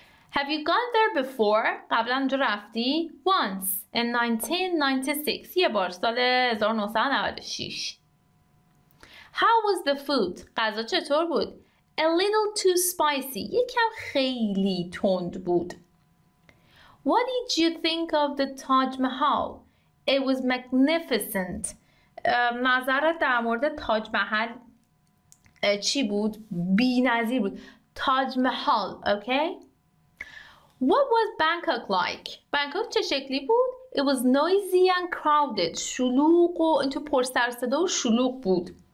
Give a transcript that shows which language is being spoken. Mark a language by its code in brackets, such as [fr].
[en] Have you gone there before؟ [fa] قبلا اونجا رفتی؟ [en] Once in 1996، [fa] یه بار سال 1996. [en] How was the food؟ [fa] غذا چطور بود؟ [en] A little too spicy، [fa] یکم خیلی تند بود. [en] What did you think of the Taj Mahal؟ It was magnificent. [fa] نظرت در مورد تاج محل چی بود؟ بی نظیر بود. [en] Taj Mahal, okay. What was Bangkok like؟ [fa] بنکوک چه شکلی بود؟ [en] It was noisy and crowded. [fa] شلوغ و اینطور پر سر صدا و شلوغ بود.